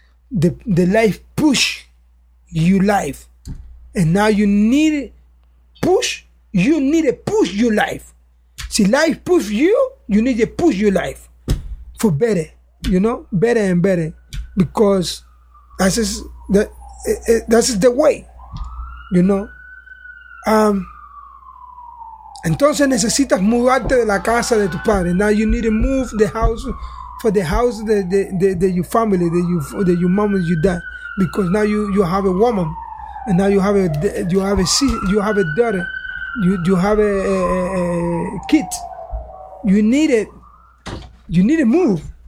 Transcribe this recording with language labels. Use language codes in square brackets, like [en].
[en] The life push your life. And now you need push. You need to push your life. See, life push you. You need to push your life for better, you know, better and better, because that's the way, you know. [es] Entonces necesitas mudarte de la casa de tu padre. [en] Now you need to move the house for the house the your family, your mom and your dad, because now you have a woman, and now you have a daughter. You have a kid. You need to move.